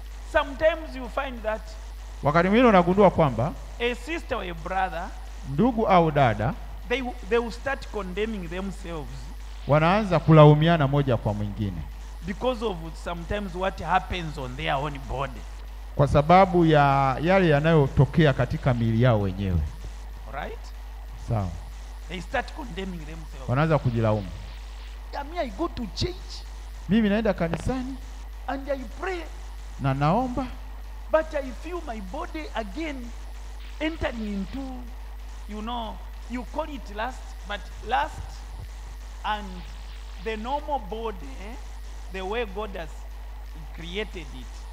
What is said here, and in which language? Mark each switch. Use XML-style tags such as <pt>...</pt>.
<en>Sometimes you find that</en> <sw>wakati mwingine unagundua kwamba</sw> <en>a sister or a brother</en> <sw>ndugu au dada</sw> <en>they will start condemning themselves.</en> <sw>Wanaanza kulaumiana moja kwa mwingine.</sw> <en>Because of sometimes what happens on their own body.</en> <sw>Kwa sababu ya yale yanayotokea katika miili yao wenyewe.</sw> <en>Right?</en> <sw>Sawa.</sw> <en>They start condemning themselves.</en> <sw>Wanaanza kujilaumu.</sw> <en>Yeah, I go to church.</en> <sw>Mimi naenda kanisani</sw> <en>and I pray.</en> <sw>Na naomba.</sw> <en>But I feel my body again entering into, you know, you call it lust, but lust and the normal body, eh, the way God has created it.</en>